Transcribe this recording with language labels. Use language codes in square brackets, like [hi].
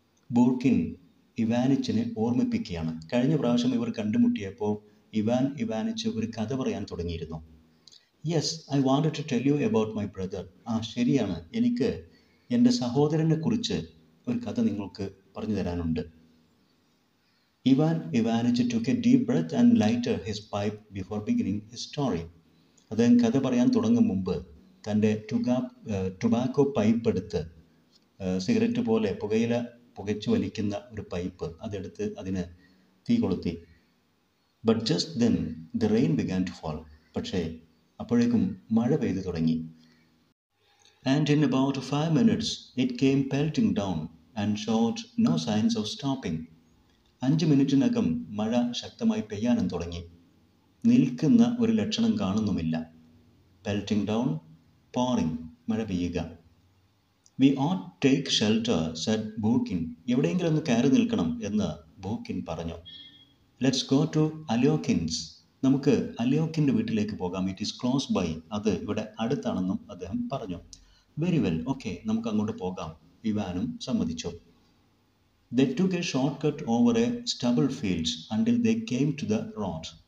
[ml] ബൂക്കിൻ ഇവാനിച്ചിനെ ഓർമ്മിപ്പിക്കുകയാണ്. കഴിഞ്ഞ പ്രാവശ്യം ഇവർ കണ്ടുമുട്ടിയപ്പോൾ ഇവാൻ ഇവാനിച്ച് ഒരു കഥ പറയാൻ തുടങ്ങിയിരുന്നു. [en] Yes, I want to tell you about my brother. [ml] ആ ശരിയാണ്, എനിക്ക് എൻ്റെ സഹോദരനെ കുറിച്ച് ഒരു കഥ നിങ്ങൾക്ക് പറഞ്ഞു തരാനുണ്ട്. [en] Ivan Ivanich took a deep breath and lighted his pipe before beginning his story. [ml] അദ്ദേഹം കഥ പറയാൻ തുടങ്ങും മുമ്പ് തൻ്റെ ടുബാക്കോ പൈപ്പ് എടുത്ത്, സിഗരറ്റ് പോലെ പുകയില പുകച്ചു വലിക്കുന്ന ഒരു പൈപ്പ്, അതെടുത്ത് അതിന് തീ കൊളുത്തി. [en] But just then the rain began to fall. [ml] പക്ഷേ അപ്പോഴേക്കും മഴ പെയ്തു തുടങ്ങി. [en] And in about 5 minutes it came pelting down and showed no signs of stopping. [ml] 5 മിനിറ്റിനകം മഴ ശക്തമായി പെയ്യാനും തുടങ്ങി. നിൽക്കുന്ന ഒരു ലക്ഷണം കാണുന്നുമില്ല. [en] pelting down, pouring, [ml] മഴ പെയ്യുക. [en] We ought take shelter, said Burkin. [ml] എവിടെയെങ്കിലും ഒന്ന് കയറി നിൽക്കണം എന്ന് ബൂക്കിൻ പറഞ്ഞു. [en] Let's go to Alyokhin's. [ml] നമുക്ക് അലിയോക്കിൻ്റെ വീട്ടിലേക്ക് പോകാം. [en] It is close by. [ml] അത് ഇവിടെ അടുത്താണെന്നും അദ്ദേഹം പറഞ്ഞു. [en] very well, okay, [ml] നമുക്ക് അങ്ങോട്ട് പോകാം. ഇവാനും സമ്മതിച്ചു. [en] They took a shortcut over a stubble fields until they came to the road.